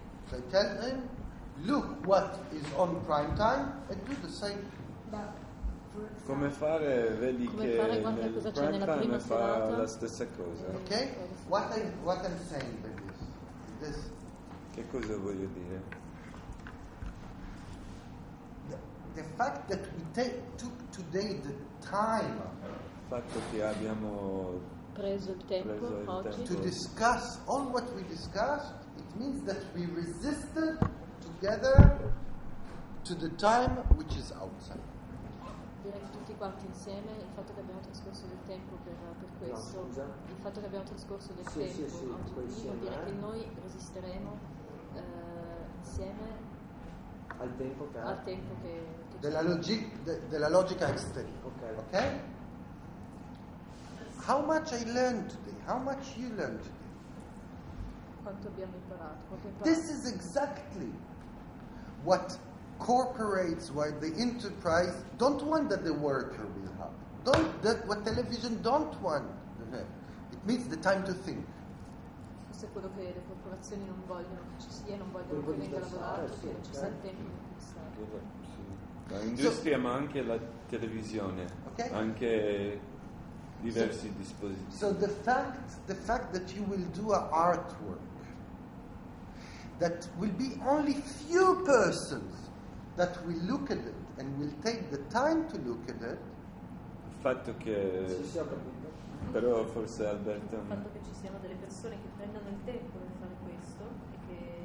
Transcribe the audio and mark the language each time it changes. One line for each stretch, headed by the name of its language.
English: So I tell him, look what is on prime time and do the same.
Italian: Come fare, vedi che nel prime time fa la stessa cosa.
English: Okay? What I'm saying by this? This.
Italian: Che cosa voglio dire?
English: The fact that we took today the time.
Italian: Il fatto che abbiamo preso il tempo
English: to discuss all what we discussed. It means that we resisted together to the time which is outside.
Italian: Direi tutti quanti insieme il fatto che abbiamo trascorso del tempo per questo, il fatto che abbiamo trascorso del tempo vuol dire che noi resisteremo insieme al tempo che della logica esterna.
English: Okay. How much I learned today? How much you learned today?
Italian: Quanto abbiamo imparato, quanto imparato.
English: This is exactly what corporates, why the enterprise don't want that the worker will have. What television don't want. It means the time to think.
Italian: Forse quello che le corporazioni non vogliono che ci sia, non vogliono che venga lavorato, che non ci sia tempo. L'industria, ma anche la televisione.
English: Okay.
Italian: Anche diversi dispositivi.
English: So the fact that you will do an artwork that will be only few persons that will look at it and will take the time to look at it.
Italian: Il fatto che però forse Alberto. Il fatto che ci siano delle persone che prendano il tempo per fare questo e che.